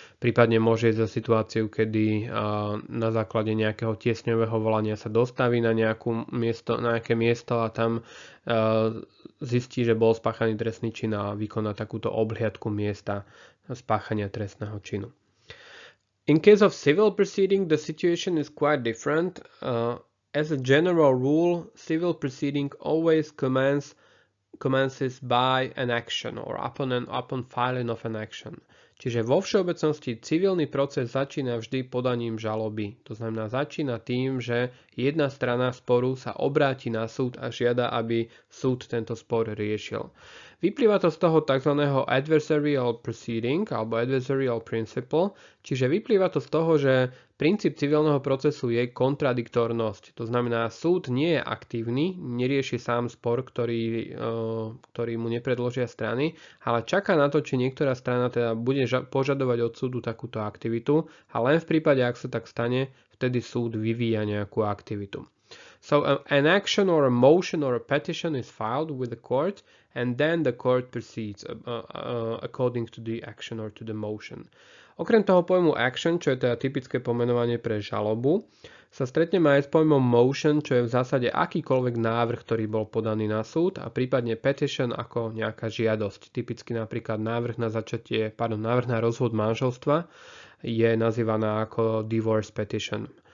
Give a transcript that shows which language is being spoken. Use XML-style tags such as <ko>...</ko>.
<sk>Prípadne môže ísť za situáciu, kedy na základe nejakého tiesňového volania sa dostaví na nejakú miesto, na nejaké miesto a tam zistí, že bol spáchaný trestný čin a vykoná takúto obhliadku miesta spáchania trestného činu.</sk> <en>In case of civil proceeding, the situation is quite different. As a general rule, civil proceeding always commences by an action or upon filing of an action.</en> <sk>Čiže vo všeobecnosti civilný proces začína vždy podaním žaloby. To znamená, začína tým, že jedna strana sporu sa obráti na súd a žiada, aby súd tento spor riešil. Vyplýva to z toho tzv. Adversarial proceeding alebo adversarial principle, čiže vyplýva to z toho, že princíp civilného procesu je kontradiktornosť. To znamená, súd nie je aktívny, nerieši sám spor, ktorý mu nepredložia strany, ale čaká na to, či niektorá strana teda bude požadovať od súdu takúto aktivitu a len v prípade, ak sa tak stane, vtedy súd vyvíja nejakú aktivitu.</sk> <en>So an action or a motion or a petition is filed with the court and then the court proceeds according to the action or to the motion.</en> <sk>Okrem toho pojmu action, čo je teda typické pomenovanie pre žalobu, sa stretneme aj s pojmom motion, čo je v zásade akýkoľvek návrh, ktorý bol podaný na súd, a prípadne petition ako nejaká žiadosť. Typicky napríklad návrh na rozvod manželstva je nazývaná ako divorce petition.</sk>